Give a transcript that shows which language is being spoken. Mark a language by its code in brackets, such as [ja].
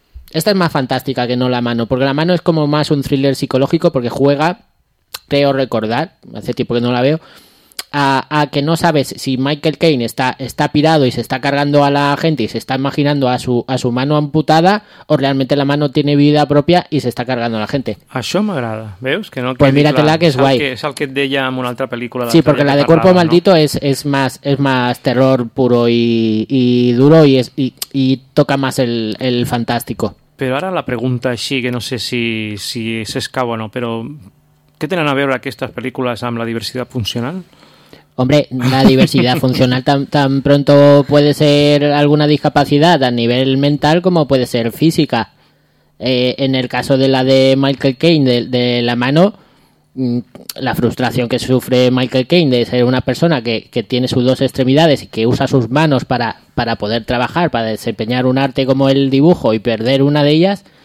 [es] Esta es más fantástica que no la mano, porque la mano es como más un thriller psicológico, porque juega, creo recordar, hace tiempo que no la veo, a que no sabes si Michael Caine está pirado y se está cargando a la gente y se está imaginando a su mano amputada, o realmente la mano tiene vida propia y se está cargando a la gente. [ca] Això m'agrada, veus? Que no, [es] pues míratela, que [ca] és guai. És el que et deia en una altra pel·lícula. [es] Sí, perquè la de Cuerpo Maldito és más terror puro y duro y toca más el fantástico. [ca] Però ara la pregunta així, que no sé si s'escau o no, però... [es] ¿Qué tienen a ver estas películas con la diversidad funcional? Hombre, la diversidad funcional tan pronto puede ser alguna discapacidad a nivel mental como puede ser física. En el caso de la de Michael Caine, de la mano, la frustración que sufre Michael Caine de ser una persona que tiene sus dos extremidades y que usa sus manos para poder trabajar, para desempeñar un arte como el dibujo y perder una de ellas...